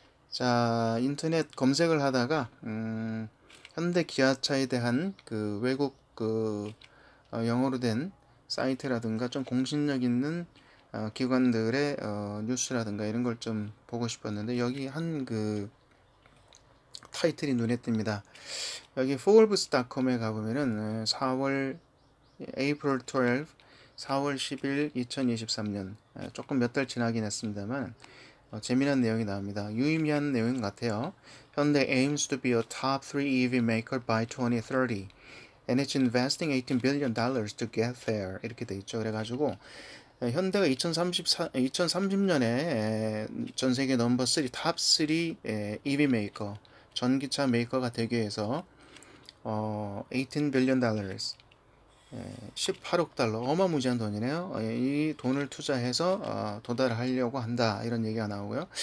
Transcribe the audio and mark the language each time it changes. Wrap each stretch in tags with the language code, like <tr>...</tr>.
<ko>자, 인터넷 검색을 하다가 현대 기아차에 대한 그 외국 그 영어로 된 사이트라든가 좀 공신력 있는 기관들의 뉴스라든가 이런 걸좀 보고 싶었는데 여기 한그 타이틀이 눈에 띕니다. 여기 Forbes.com에 가보면은 4월 April 12, 4월 10일 2023년 조금 몇달 지나긴 했습니다만 재미난 내용이 나옵니다. 유의미한 내용인 것 같아요.</ko> <en>현대 aims to be a top 3 EV maker by 2030 and it's investing $18 billion to get there.</en> <ko>이렇게 돼 있죠. 그래가지고 현대가 2030년에 전 세계 넘버 3, top 3 EV 메이커, 전기차 메이커가 되기 위해서 $18 billion. 18억 달러, 어마무지한 돈이네요. 이 돈을 투자해서 도달하려고 한다. 이런 얘기가 나오고요.</ko>